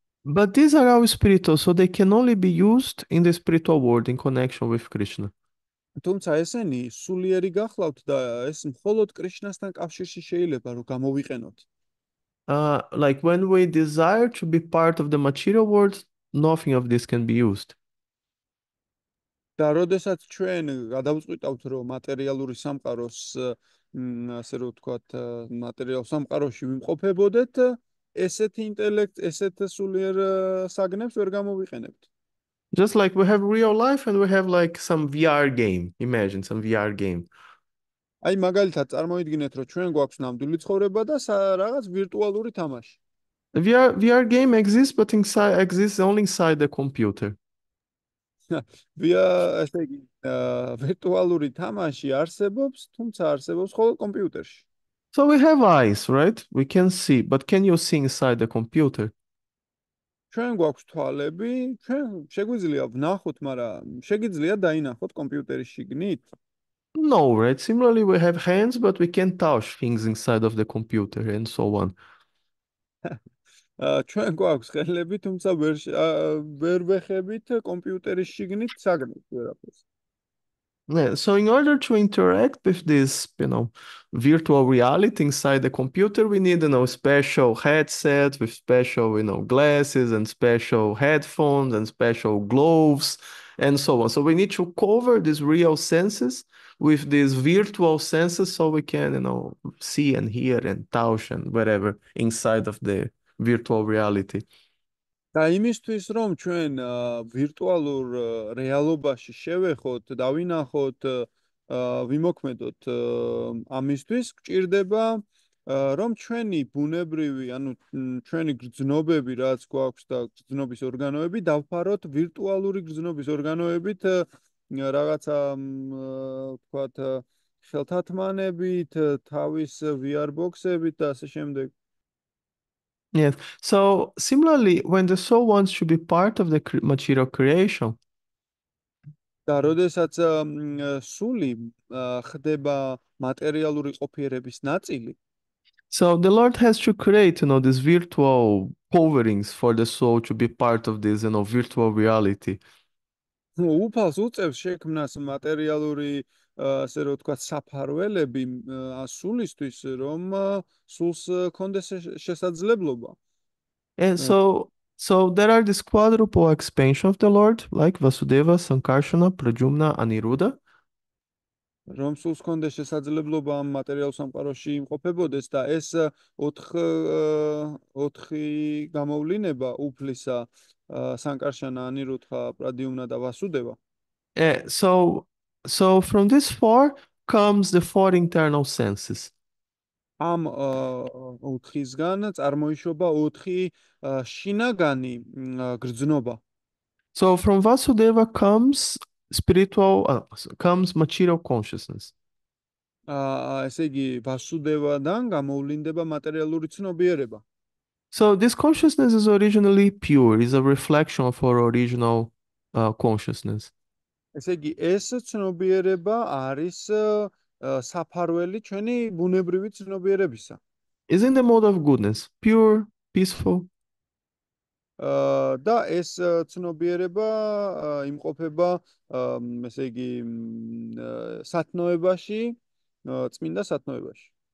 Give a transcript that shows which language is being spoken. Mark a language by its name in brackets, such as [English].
[English] But these are all spiritual, so they can only be used in the spiritual world in connection with Krishna. [Georgian] თუმცა ესენი სულიერი გახლავთ და ეს მხოლოდ კრიშნასთან კავშირში შეიძლება რომ გამოვიყენოთ. [English] Like when we desire to be part of the material world, nothing of this can be used. [Georgian] და როდესაც ჩვენ გადავწყვიტავთ რომ მატერიალური სამყაროს, ასე რომ ვთქვათ, მატერიალურ სამყაროში ვიმყოფებოდეთ, ესეთი ინტელექტი, ესეთ სულიერ საგნებს ვერ გამოვიყენებთ. [English] Just like we have real life and we have like some VR game. Imagine some VR game. [Georgian] აი მაგალითად წარმოიდგინეთ, რომ ჩვენ გვაქვს ნამდვილი ცხოვრება და რაღაც ვირტუალური თამაში. [English] VR game exists, but inside exists only inside the computer. [Georgian] VR, ესე იგი, ვირტუალური თამაში არსებობს, თუმცა არსებობს მხოლოდ კომპიუტერში. [English] So we have eyes, right? We can see, but can you see inside the computer? [Georgian] ჩვენ გვაქვს თვალები, ჩვენ შეგვიძლია ვნახოთ, მაგრამ შეგიძლია დაინახოთ კომპიუტერის შიგნით. [English] No, right? Similarly, we have hands, but we can touch things inside of the computer and so on. [Georgian] ჩვენ გვაქვს ხელები, თუმცა ვერ ვეხებით კომპიუტერის შიგნით საგნებს ვერაფერს. [English] Yeah, so in order to interact with this, virtual reality inside the computer, we need special headset with special, glasses and special headphones and special gloves and so on. So we need to cover these real senses with these virtual senses so we can, see and hear and touch and whatever inside of the virtual reality. [Georgian] და იმისთვის რომ ჩვენ ვირტუალურ რეალობაში შევეხოთ, დავინახოთ, ვიმოქმედოთ, ამისთვის გჭირდება რომ ჩვენი ბუნებრივი, ანუ ჩვენი გრძნობები, რაც გვაქვს და გრძნობის ორგანოები, დავფაროთ ვირტუალური გრძნობის ორგანოებით, რაღაცა ვთქვათ, ხელთათმანებით, თავის VR ბოქსებით და ასე შემდეგ. [English] Yes. So similarly, when the soul wants to be part of the material creation. [Georgian] და როდესაც სული ხდება მატერიალური ყოფიერების ნაწილი, [English] So the Lord has to create, these virtual coverings for the soul to be part of this, virtual reality. [Georgian] უფალს უწევს შექმნას მატერიალური, ასე რომ ვთქვა, საფარველები სულისთვის, რომ სულს ჰქონდეს შესაძლებლობა. [English] And so there are this quadruple expansion of the Lord, like Vasudeva, Sankarsana, Prajumna, Aniruddha. [Georgian] რომ სულს ჰქონდა შესაძლებლობა ამ მატერიალურ სამყაროში იმყოფებოდეს და ეს 4 გამოვლინება უფლისა, სანკარშანა, ანირუდჰა, პრადიუმნა და ვასუდევა. [English] So from this four comes the four internal senses. [Georgian] ამ 4-ისგან წარმოიშობა 4 შინაგანი გრძნობა. [English] So from Vasudeva comes spiritual, comes material consciousness. [Georgian] ესე იგი, ვასუდევადან გამოვლინდება მატერიალური ცნობიერება. [English] So this consciousness is originally pure, is a reflection of our original consciousness. [Georgian] ესე იგი, ეს ცნობიერება არის საფარველი ჩვენი ბუნებრივი ცნობიერებისა. [English] Is in the mode of goodness, pure, peaceful. [Georgian] Და ეს ცნობიერება იმყოფება, ესე იგი, სათნოებაში, წმინდა სათნოებაში.